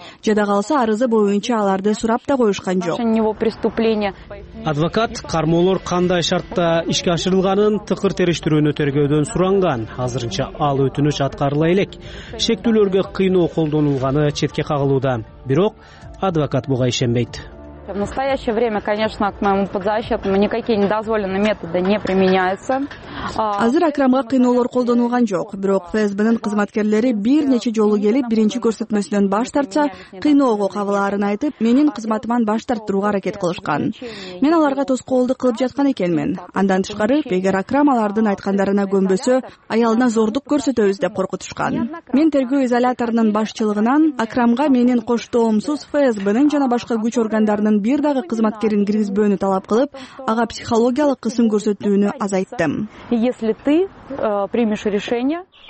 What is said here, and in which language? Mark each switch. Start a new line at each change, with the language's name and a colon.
Kyrgyz: Жада калса арызы боюнча аларды сурап да коюшкан жок. Адвокат кармоолор кандай шартта ишке ашырылганын тыкыр териштирүүнү тергөөдөн суранган. Азырынча ал өтүнүч аткарыла элек. Шектүүлөргө кыйноо колдонулганы четке кагылууда. Бирок адвокат буга ишенбейт.
Russian: В настоящее время, конечно, к моему подзащитному никакие недозволенные методы не применяются.
Kyrgyz: Азыр Акрамга кыйноолор колдонулган жок, бирок ФСБнын кызматкерлери бир нече жолу келип, биринчи көрсөтмөсүнөн баш тартса, кыйноого кабылаарын айтып, менин кызматыман баш тарттырууга аракет кылышкан. Мен аларга тоскоолдук кылып жаткан экенмин. Андан тышкары, эгер Акрам алардын айткандарына көнбөсө, аялына зордук көрсөтөбүз деп коркутушкан. Мен тергөө изоляторунун башчылыгынан Акрамга менин коштоомсуз ФСБнын жана башка күч органдарынын бир дагы кызматкерин киргизбөөнү талап кылып, ага психологиялык кысым көрсөтүүнү азайттым.
Russian: Если ты примешь решение.